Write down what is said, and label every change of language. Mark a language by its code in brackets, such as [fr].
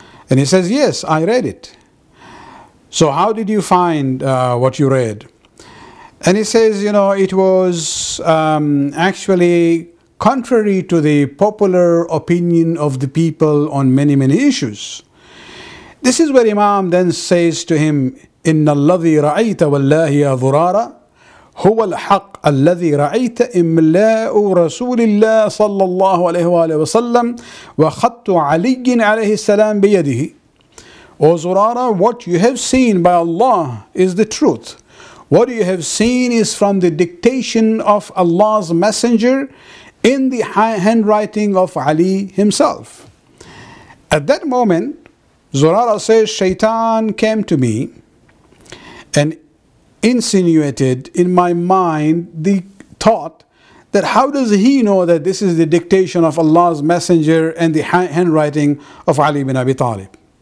[en] And he says, yes, I read it. So how did you find what you read? And he says, you know, it was actually contrary to the popular opinion of the people on many, many issues. This is where Imam then says to him, [ar] إِنَّ الَّذِي رَأَيْتَ وَاللَّهِ يَا ذُرَارَ هُوَ الْحَقِّ الَّذِي رَأَيْتَ إِمْلَاءُ رَسُولِ اللَّهِ صَلَّى اللَّهُ عَلَيْهُ وَآلَهِ وَسَلَّمْ وَخَطُّ عَلِيٍّ عَلَيْهِ السَّلَامِ بِيَدِهِ [en] O Zurara, what you have seen by Allah is the truth. What you have seen is from the dictation of Allah's messenger in the handwriting of Ali himself. At that moment, Zurara says, Shaitan came to me and insinuated in my mind the thought that how does he know that this is the dictation of Allah's messenger and the handwriting of Ali bin Abi Talib?